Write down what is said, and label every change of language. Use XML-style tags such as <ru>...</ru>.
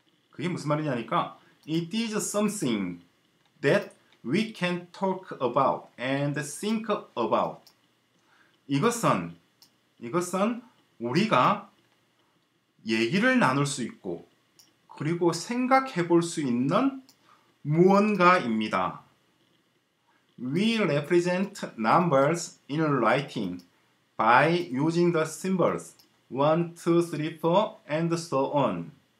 <ko>그게 무슨 말이냐니까</ko> <en>It is something that we can talk about and think about.</en> <ko>이것은 우리가 얘기를 나눌 수 있고 그리고 생각해 볼 수 있는 무언가입니다.</ko> <en>We represent numbers in writing by using the symbols 1, 2, 3, 4, and so on.</en>